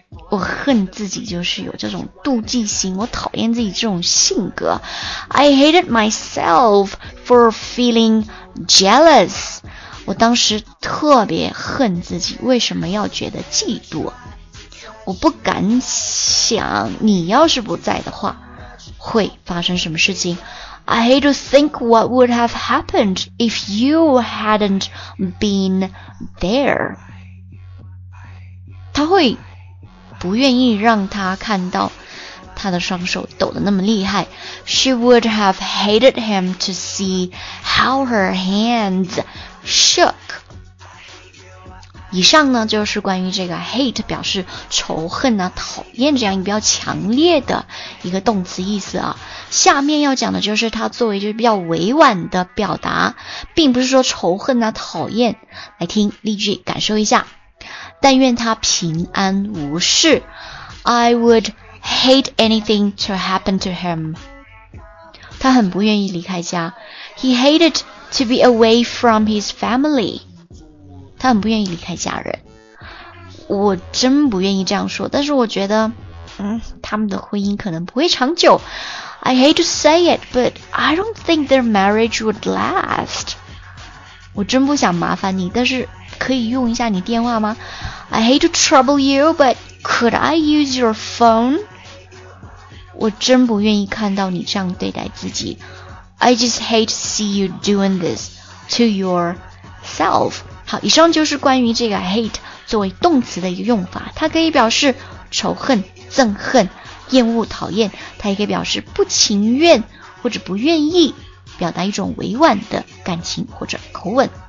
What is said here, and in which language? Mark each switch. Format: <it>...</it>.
<zh>我恨自己就是有这种妒忌心，我讨厌自己这种性格。</zh> <en>I hated myself for feeling jealous.</en> <zh>我当时特别恨自己，为什么要觉得嫉妒？我不敢想，你要是不在的话，会发生什么事情。</zh> <en>I hate to think what would have happened if you hadn't been there.</en> <zh>他会不愿意让他看到他的双手抖得那么厉害。</zh> <en>She would have hated him to see how her hands shook.</en> <zh>以上呢就是关于这个 hate 表示仇恨啊讨厌这样一比较强烈的一个动词意思啊。下面要讲的就是它作为就是比较委婉的表达，并不是说仇恨啊讨厌。来听例句感受一下。但愿他平安无事。</zh> <en>I would hate anything to happen to him.</en> <zh>他很不愿意离开家。</zh> <en>He hated to be away from his family.</en> <zh>他很不愿意离开家人。我真不愿意这样说，但是我觉得，他们的婚姻可能不会长久。</zh> <en>I hate to say it, but I don't think their marriage would last.</en> <zh>我真不想麻烦你，但是可以用一下你电话吗？</zh> <en>I hate to trouble you, but could I use your phone?</en> <zh>我真不愿意看到你这样对待自己。</zh> <en>I just hate to see you doing this to yourself.</en> <zh>好，以上就是关于这个 hate 作为动词的一个用法，它可以表示仇恨、憎恨、厌恶、讨厌，它也可以表示不情愿或者不愿意，表达一种委婉的感情或者口吻。</zh>